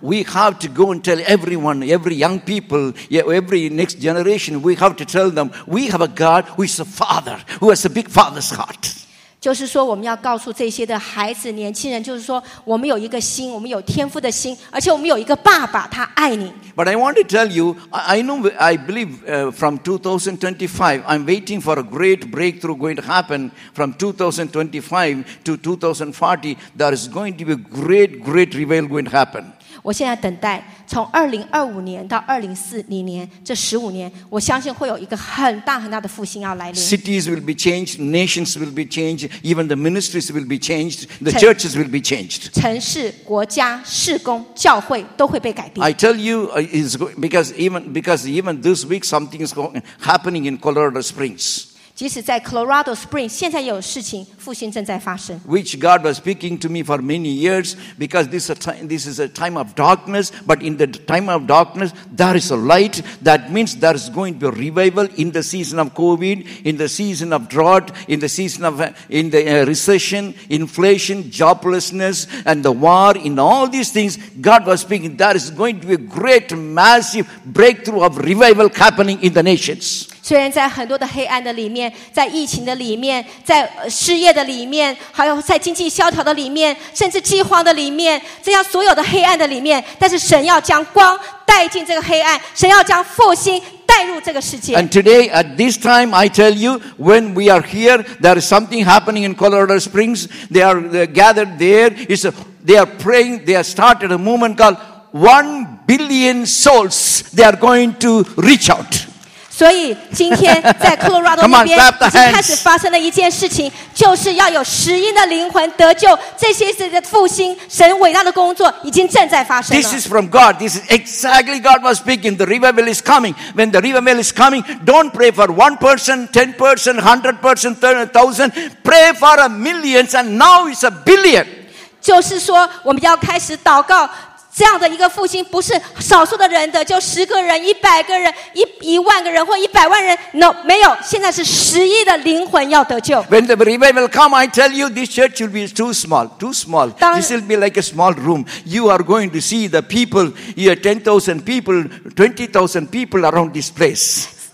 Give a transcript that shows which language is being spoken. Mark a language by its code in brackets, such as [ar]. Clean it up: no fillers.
[en] We have to go and tell everyone, every young people, every next generation, we have to tell them, we have a God who is a Father, who has a big Father's heart. [zh] 就是说我们要告诉这些的孩子、年轻人，就是说我们有一个心，我们有天父的心，而且我们有一个爸爸，他爱你。 [en] But I want to tell you, I know, I believe from 2025, I'm waiting for a great breakthrough going to happen from 2025 to 2040. There is going to be a great, great revival going to happen. [zh] 我现在等待，从2025年到2040年这15年，我相信会有一个很大很大的复兴要来临。 [en] Cities will be changed, nations will be changed, even the ministries will be changed, the churches will be changed. [zh] 城市、国家、事工、教会都会被改变。 [en] I tell you, because even this week something is happening in Colorado Springs. [zh] 即使在 Colorado Springs, 现在有事情，复兴正在发生。 [en] Which God was speaking to me for many years, because this is a time of darkness, but in the time of darkness, there is a light. That means there is going to be a revival in the season of COVID, in the season of drought, in the season of in the recession, inflation, joblessness, and the war, in all these things, God was speaking, there is going to be a great, massive breakthrough of revival happening in the nations. [zh] 虽然在很多的黑暗的里面，在疫情的里面，在失业的里面，还有在经济萧条的里面，甚至饥荒的里面，这样所有的黑暗的里面，但是神要将光带进这个黑暗，神要将复兴带入这个世界。 [en] And today, at this time, I tell you, when we are here, there is something happening in Colorado Springs. They are gathered there. It's a, they are praying. They have started a movement called 1 billion souls. They are going to reach out. [zh] 所以今天在 Colorado 那边已经开始发生了一件事情，就是要有十亿的灵魂得救，这些是复兴神伟大的工作已经正在发生了。 [en] This is from God. This is exactly God was speaking. The revival is coming. When the revival is coming, don't pray for 1 person, 10 person, 100 person, 1,000. Pray for a millions, and now it's a billion. [zh] 就是说，我们要开始祷告。这样的一个复兴不是少数的人的，就十个人、一百个人、一万个人或一百万人。 No, 没有，现在是十亿的灵魂要得救。 [en] When the revival come, I tell you, this church will be too small, too small. This will be like a small room. You are going to see the people, here 10,000 people, 20,000 people around this place.